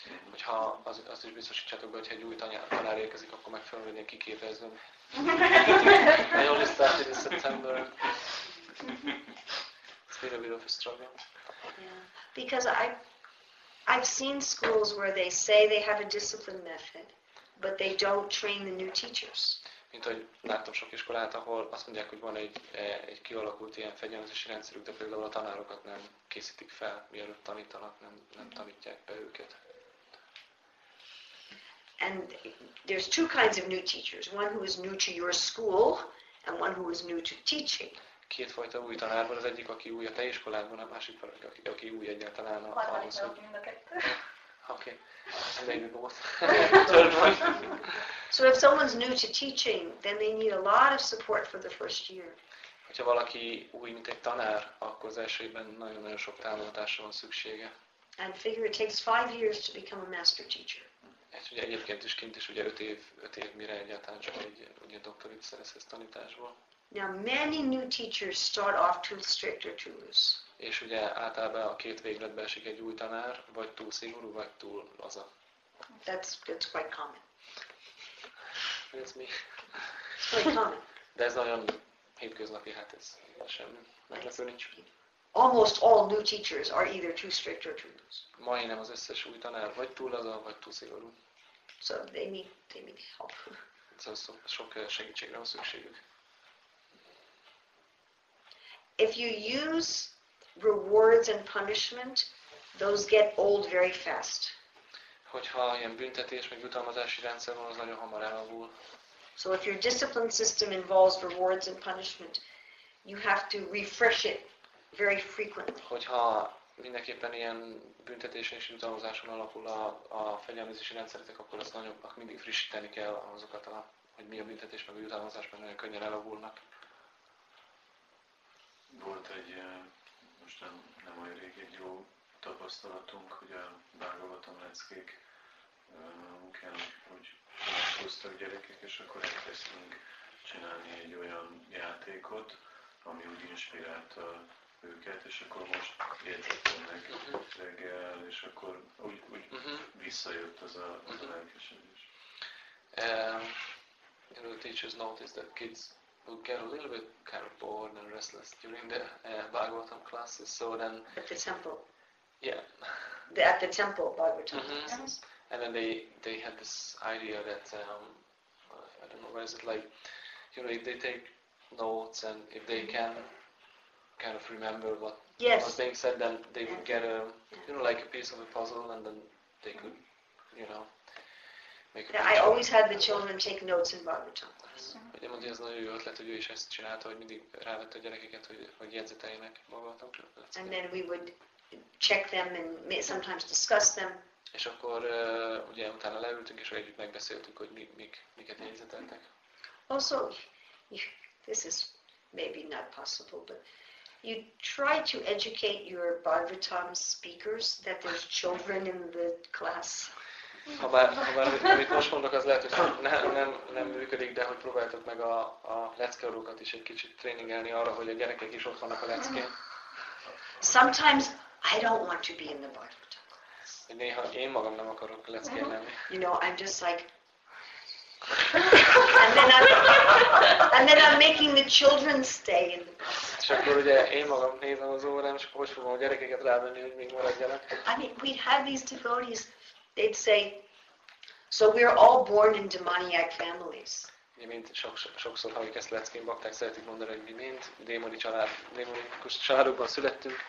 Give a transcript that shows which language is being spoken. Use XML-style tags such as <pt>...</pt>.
<hu>Hogyha az is biztosítsátok be, hogy egy új tanár érkezik, akkor meg fogom venni a kiképezőm.</hu> <en>I only started in September. It's been a bit of a struggle. Yeah. Because I've seen schools where they say they have a discipline method, but they don't train the new teachers.</en> <hu>Mint ahogy láttam sok iskolát, ahol azt mondják, hogy van egy kialakult ilyen fegyelmezési rendszerük, de például a tanárokat nem készítik fel, mielőtt tanítanak, nem tanítják be őket.</hu> <en>And there's two kinds of new teachers. One who is new to your school, and one who is new to teaching.</en> <hu>Két fajta új tanár van, az egyik, aki új a te iskolában, a másik, aki új egyáltalán a hangzó. Hogy... Oké. Okay. Ez egy volt.</hu> <en>So if someone's new to teaching, then they need a lot of support for the first year.</en> <hu>Hogyha valaki új, mint egy tanár, akkor az első évben nagyon-nagyon sok támogatásra van szüksége.</hu> <en>And figure it takes 5 years to become a master teacher.</en> <hu>Ez ugye egyébként is kint is, ugye öt év mire egyáltalán csak egy ugye doktorit szerezhez tanításból.</hu> <en>Now many new teachers start off too strict or too loose.</en> <hu>És ugye általában a két végletbe esik egy új tanár, vagy túl szigorú, vagy túl laza.</hu> <en>That's quite common.</en> <hu>Ez mi?</hu> <en>It's quite common.</en> <hu>De ez nagyon hétköznapi, hát ez semmi. Meglepő nincs.</hu> <en>Almost all new teachers are either too strict or too loose.</en> <hu>Majdnem az összes új tanár, vagy túl laza, vagy túl szigorú.</hu> <en>So they need help.</en> <hu>Szóval sok segítségre van szükségük.</hu> <en>If you use rewards and punishment, those get old very fast.</en> <hu>Hogyha ilyen büntetés meg jutalmazási rendszer van, az nagyon hamar elavul.</hu> <en>So if your discipline system involves rewards and punishment, you have to refresh it very frequently.</en> <hu>Hogyha mindenképpen ilyen büntetés és jutalmazáson alapul a fegyelmezési rendszeretek, akkor az nagyobbak mindig frissíteni kell azokat, hogy mi a büntetés meg a jutalmazás, mert nagyon könnyen elavulnak. Volt egy most nem olyan rég egy jó tapasztalatunk, hogy a Bhagavatam leckék munkán, hogy hoztak gyerekek, és akkor elkezdtünk csinálni egy olyan játékot, ami úgy inspirálta őket, és akkor most értettem meg reggel, és akkor úgy visszajött az a lelkesedés.</hu> <en>You know, the teachers noticed that kids would get a little bit kind of bored and restless during the Bhagavatam classes, so then... At the temple. Yeah. At the temple, Bhagavatam classes. And then they had this idea that, I don't know, where is it, like, you know, if they take notes and if they can kind of remember what was being said, then they would get a, you know, like a piece of a puzzle, and then they could, you know... I always had the children take notes in Bhagavatam class.</en> <hu>Ugye mondja, ez nagyon jó ötlet, hogy ő is ezt csinálta, hogy mindig rávette a gyerekeket, hogy jegyzeteljenek Bhagavatam</hu> <en>class. And then we would check them and sometimes discuss them.</en> <hu>És akkor ugye utána leültünk, és együtt megbeszéltük, hogy miket jegyzeteltek.</hu> <en>Also, this is maybe not possible, but you try to educate your Bhagavatam speakers that there's children in the class.</en> <hu>Ha bár amit most mondok, az lehet, hogy nem működik, de hogy próbáltok meg a leckeadókat is egy kicsit tréningelni arra, hogy a gyerekek is ott vannak a leckén.</hu> <en>Sometimes I don't want to be in the Bhagavatam class.</en> <hu>Hogy néha én magam nem akarok leckén lenni.</hu> <en>You know, I'm just like... And then I'm making the children stay in the Bhagavatam</en> <hu>class. És akkor ugye én magam nézem az órán, és akkor hogy fogom a gyerekeket rávenni, hogy még maradjanak.</hu> <en>I mean, we have these devotees. They'd say, so we are all born in demoniac families.</en> <hu>Mi mind sokszor halljuk ezt leckén bakták, szeretik mondani, hogy mi mind démoni család, démonikus családokban születtünk.</hu>